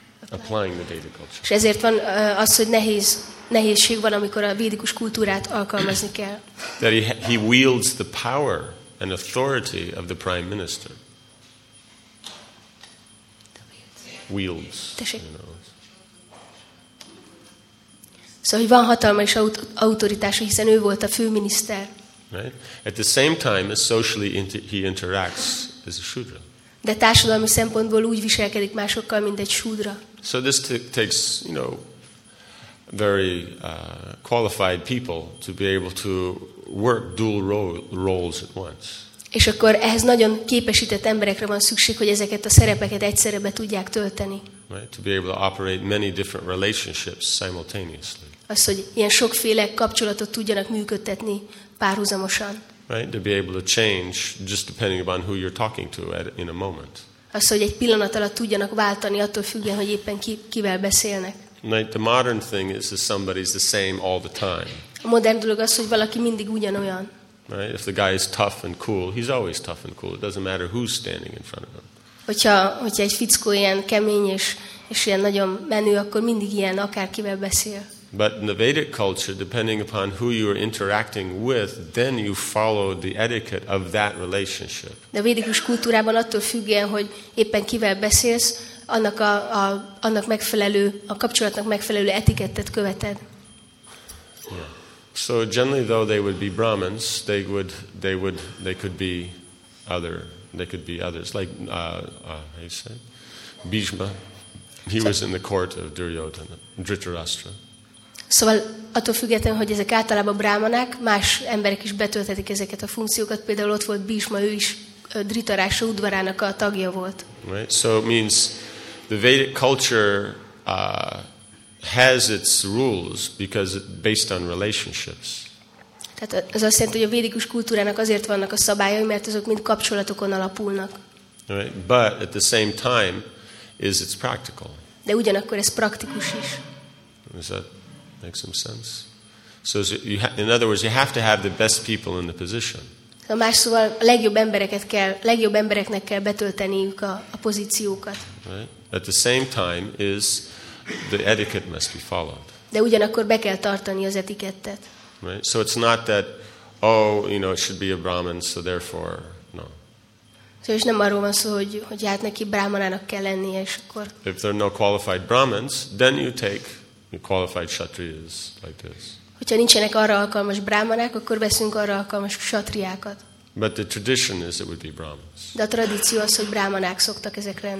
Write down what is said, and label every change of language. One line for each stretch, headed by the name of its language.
English: Applying the Vedic culture.
Hungarian: És ezért van az, hogy nehézség van, amikor a védikus kultúrát alkalmazni kell.
English: That he wields the power and authority of the prime minister. Wields.
Hungarian: Szóval van hatalma és autoritása, hiszen ő volt a főminiszter.
English: Right? At the same time, as socially he interacts as a shudra.
Hungarian: De társadalmi szempontból úgy viselkedik másokkal, mint egy shudra.
English: So this takes, you know, very qualified people to be able to work dual roles at once.
Hungarian: És akkor ehhez nagyon képesített emberekre van szükség, hogy ezeket a szerepeket egyszerre be tudják tölteni.
English: Right? To be able to operate many different relationships simultaneously.
Hungarian: Az, hogy ilyen sokféle kapcsolatot tudjanak működtetni párhuzamosan.
English: Right? To be able to change just depending upon who you're talking to at, in a moment.
Hungarian: Az, hogy egy pillanat alatt tudjanak váltani attól függően, hogy éppen kivel beszélnek.
English: Right? The modern thing is that somebody's the same all the time.
Hungarian: A modern dolog az, hogy valaki mindig ugyanolyan.
English: Right? If the guy is tough and cool, he's always tough and cool. It doesn't matter who's standing in front of him.
Hungarian: Hogyha egy fickó ilyen kemény és ilyen nagyon menő, akkor mindig ilyen akárkivel beszél.
English: But in the Vedic culture, depending upon who you are interacting with, then you follow the etiquette of that relationship.
Hungarian: De a védikus kultúrában attól függően, hogy éppen kivel beszélsz, annak megfelelő etikettet követed.
English: Yeah. So generally, though they would be Brahmins, they could be others, like how you say, Bhishma. He was in the court of Duryodhana, Dhritarashtra.
Hungarian: Szóval attól függetlenül, hogy ezek általában brámanák, más emberek is betölthetik ezeket a funkciókat. Például ott volt Bhishma, ő is Dhritarashtra udvarának a tagja volt.
English: Right. So it means the Vedic culture has its rules because based on relationships.
Hungarian: Tehát az azt jelenti, hogy a védikus kultúrának azért vannak a szabályai, mert azok mind kapcsolatokon alapulnak.
English: Right. But at the same time is it's practical.
Hungarian: De ugyanakkor ez praktikus is.
English: Is that make some sense? So you in other words, you have to have the best people in the position.
Hungarian: A más szóval legjobb embereknek kell betölteniük a pozíciókat.
English: Right? At the same time is the etiquette must be followed.
Hungarian: De ugyanakkor be kell tartani az etikettet.
English: Right? So it's not that, oh, you know, it should be a Brahmin, so therefore, no.
Hungarian: Szóval is nem arról van szó, hogy hát neki brahmanának kell lennie, és akkor...
English: If there are no qualified Brahmins, then you take your qualified kshatriyas like this.
Hungarian: Hogyha nincsenek arra alkalmas brahmanák, akkor veszünk arra alkalmas kshatriákat.
English: But the tradition is it would be Brahmins.
Hungarian: De a tradíció az, hogy brahmanák szoktak ezek lenni.